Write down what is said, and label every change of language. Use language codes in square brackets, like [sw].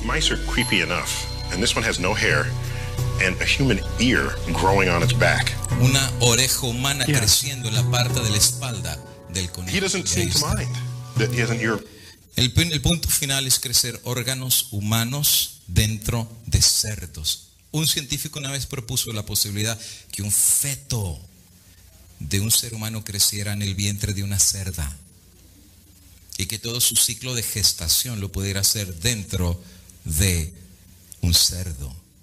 [en] Mice are creepy enough, and this one has no hair and a human ear growing on its back. [es] Una oreja humana creciendo en la parte de la espalda del conejo. [en] He doesn't seem to mind that he has an ear. [es] El punto final es crecer órganos humanos dentro de cerdos. Un científico una vez propuso la posibilidad que un feto de un ser humano creciera en el vientre de una cerda y que todo su ciclo de gestación lo pudiera hacer dentro de un cerdo.